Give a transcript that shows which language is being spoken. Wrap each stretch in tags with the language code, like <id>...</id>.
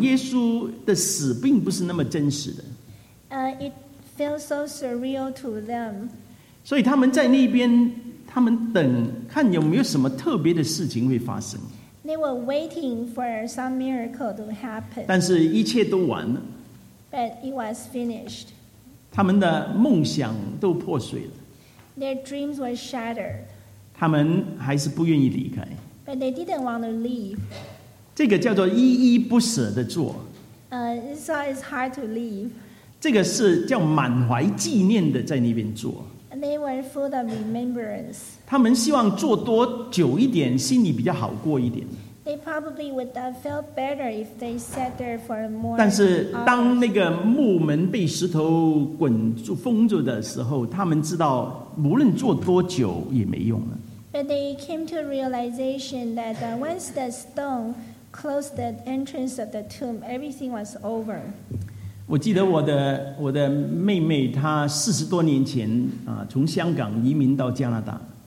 <zh>他们很可能想耶稣的死并不是那么真实的。</zh> <en>It feels so surreal to them.</en> <zh>所以他们在那边，他们等看有没有什么特别的事情会发生。</zh> <en>They were waiting for some miracle to happen.</en> <zh>但是一切都完了。</zh> <en>But it was finished.</en> <zh>他们的梦想都破碎了。</zh> <en>Their dreams were shattered.</en> <zh>他们还是不愿意离开。</zh> <en>But they didn't want to leave.</en> <zh>这个叫做依依不舍的坐。</zh> <en>So it's hard to leave.</en> <zh>这个是叫满怀纪念的在那边坐。</zh> <en>They were full of remembrance.</en> <zh>他们希望坐多久一点, 心里比较好过一点。</zh> <en>They probably would have felt better if they sat there for more.</en> <zh>但是当那个木门被石头滚住, 封住的时候, 他们知道无论坐多久也没用了。</zh> <en>But they came to a realization that once the stone closed the entrance of the tomb, everything was over.</en> <zh>我记得我的妹妹她40多年前从香港移民到加拿大。</zh>